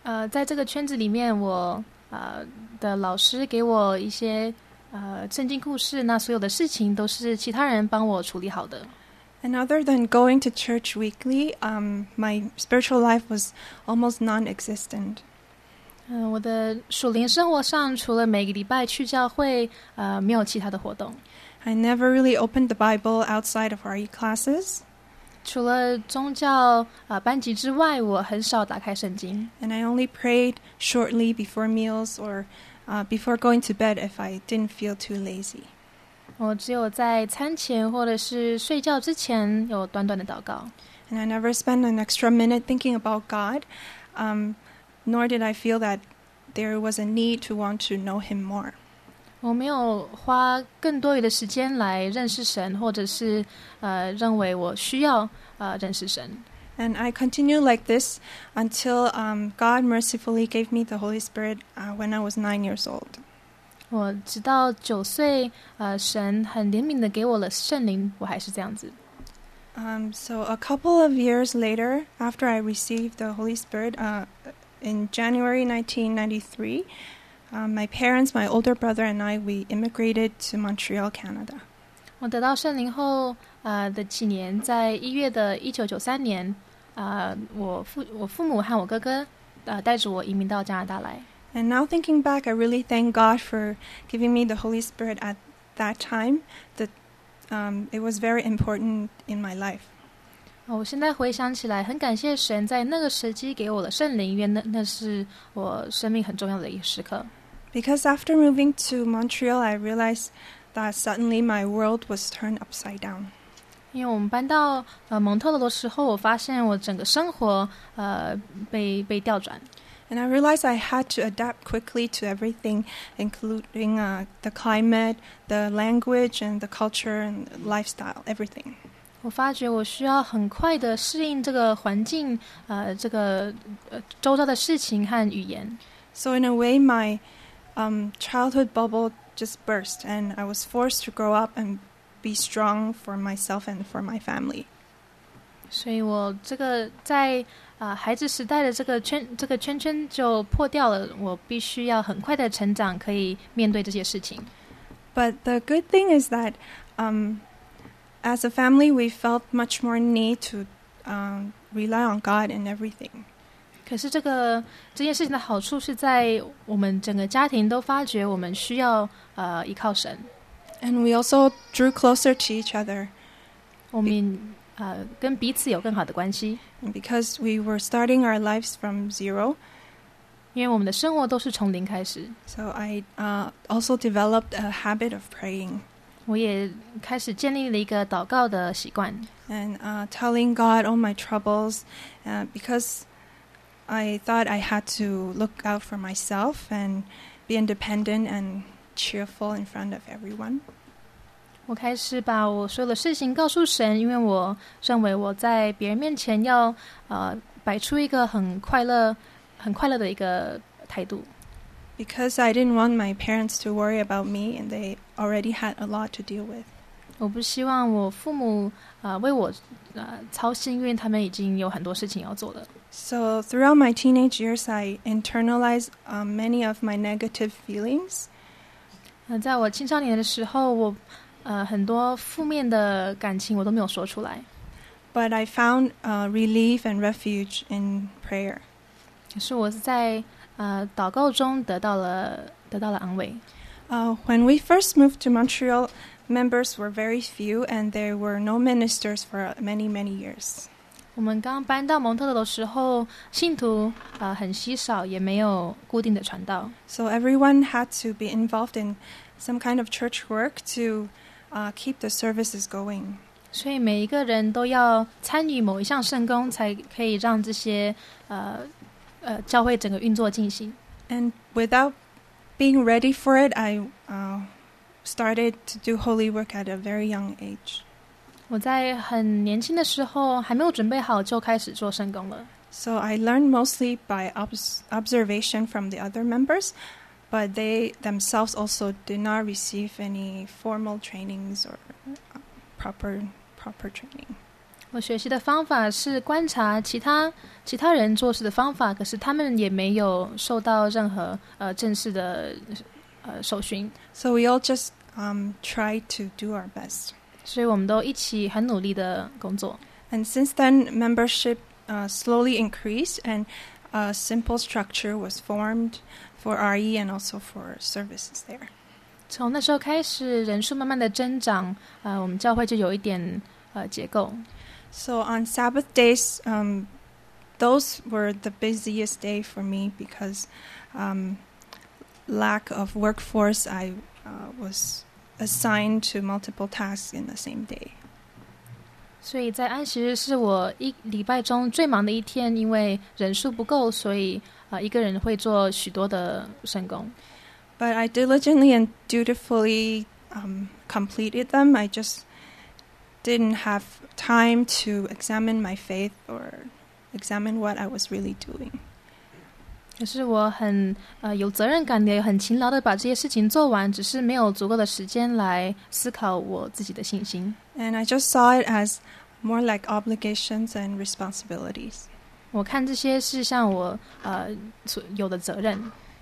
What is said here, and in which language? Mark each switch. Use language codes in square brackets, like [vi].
[zh] 在这个圈子里面，我的老师给我一些圣经故事，那所有的事情都是其他人帮我处理好的。 [en] And other than going to church weekly, my spiritual life was almost non-existent. [zh] 我的属灵生活上除了每个礼拜去教会，没有其他的活动。 [en] I never really opened the Bible outside of RE classes. [zh] 除了宗教班级之外，我很少打开圣经。 [en] And I only prayed shortly before meals or before going to bed if I didn't feel too lazy. [zh] 我只有在餐前或者是睡觉之前有短短的祷告。 [en] And I never spent an extra minute thinking about God, nor did I feel that there was a need to want to know Him more. [zh] 我没有花更多余的时间来认识神，或者是认为我需要认识神。 [en] And I continued like this until God mercifully gave me the Holy Spirit when I was 9 years old. [zh] 我直到九岁，神很怜悯的给我了圣灵，我还是这样子。 [en] So a couple of years later, after I received the Holy Spirit, in January 1993, my parents, my older brother and I, we immigrated to Montreal, Canada. [zh] 我得到圣灵后的几年，在一月的1993年，我父母和我哥哥带着我移民到加拿大来。 [en] And now thinking back, I really thank God for giving me the Holy Spirit at that time. It was very important in my life. [zh] 我现在回想起来，很感谢神在那个时期给我的圣灵，因为那是我生命很重要的一个时刻。 [en] Because after moving to Montreal, I realized that suddenly my world was turned upside down. [zh] 因为我们搬到蒙特勒的时候，我发现我整个生活被调转。 [en] And I realized I had to adapt quickly to everything, including the climate, the language, and the culture and lifestyle, everything. [zh] 我发觉我需要很快的适应这个环境，周遭的事情和语言。 [en] So in a way, my childhood bubble just burst, and I was forced to grow up and be strong for myself and for my family. [zh] 所以我这个在孩子时代的这个圈圈就破掉了，我必须要很快的成长，可以面对这些事情。 [en] But the good thing is that, as a family, we felt much more need to rely on God and everything. [zh] 可是这件事情的好处是在我们整个家庭都发觉我们需要依靠神。 [en] And we also drew closer to each other. [zh] 我们跟彼此有更好的关系。 [en] And because we were starting our lives from zero. [zh] 因为我们的生活都是从零开始。 [en] So I also developed a habit of praying. [zh] 我也开始建立了一个祷告的习惯。 [en] And telling God all my troubles, because I thought I had to look out for myself and be independent and cheerful in front of everyone. [zh] 我开始把我所有的事情告诉神，因为我认为我在别人面前要摆出一个很快乐的一个态度。 [en] Because I didn't want my parents to worry about me, and they already had a lot to deal with. [zh] 我不希望我父母为我操心，因为他们已经有很多事情要做了。 [en] So throughout my teenage years, I internalized many of my negative feelings. [zh] 在我青少年的时候，我很多负面的感情我都没有说出来。 [en] But I found relief and refuge in prayer. [zh] 可是我在祷告中得到了安慰。 [en] When we first moved to Montreal, members were very few, and there were no ministers for many, many years. [zh] 我们刚搬到蒙特勒的时候，信徒很稀少，也没有固定的传道。 [en] So everyone had to be involved in some kind of church work to keep the services going. [zh] 所以每一个人都要参与某一项圣工，才可以让这些教会整个运作进行。 [en] And without being ready for it, I started to do holy work at a very young age. [zh] 我在很年轻的时候还没有准备好就开始做圣工了。 [en] So I learned mostly by observation from the other members, but they themselves also did not receive any formal trainings or proper training. [zh] 我学习的方法是观察其他人做事的方法，可是他们也没有受到任何正式的受训。 [en] So we all just try to do our best. [zh] 所以我们都一起很努力的工作。 [en] And since then, membership slowly increased, and a simple structure was formed for RE and also for services there. [zh] 从那时候开始，人数慢慢的增长，我们教会就有一点结构。 [en] So on Sabbath days, those were the busiest day for me because lack of workforce, I was assigned to multiple tasks in the same day. [zh] 所以在安息日是我一礼拜中最忙的一天，因为人数不够，所以一个人会做许多的圣工。 [en] But I diligently and dutifully completed them. I just didn't have time to examine my faith or examine what I was really doing. [zh] 可是我很有责任感的，很勤劳的把这些事情做完，只是没有足够的时间来思考我自己的信心。 [en] And I just saw it as more like obligations and responsibilities. [zh] 我看这些是像我有的责任。